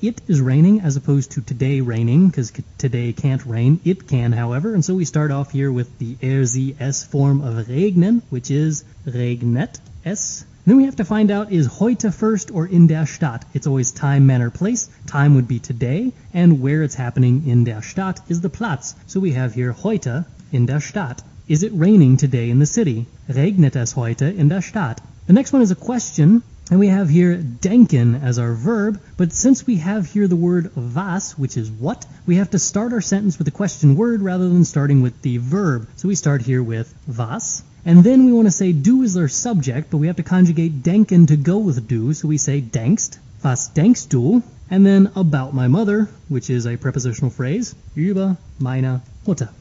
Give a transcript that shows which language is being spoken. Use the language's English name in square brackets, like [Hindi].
[English] It is raining, as opposed to today raining, because today can't rain. It can, however. And so we start off here with the RZS form of regnen, which is [German] regnet es. [English] Then we have to find out, is heute first or [German] in der Stadt? [English] It's always time, manner, place. Time would be today, and where it's happening [German] in der Stadt [English] is the Platz. So we have here [German] heute in der Stadt. [English] Is it raining today in the city? [German] Regnet es heute in der Stadt? [English] The next one is a question, and we have here denken as our verb, but since we have here the word was, which is what, we have to start our sentence with the question word rather than starting with the verb. So we start here with was. And then we want to say du is our subject, but we have to conjugate denken to go with du, so we say denkst, [German] was denkst du, [English] and then about my mother, which is a prepositional phrase, [German] über meine Mutter.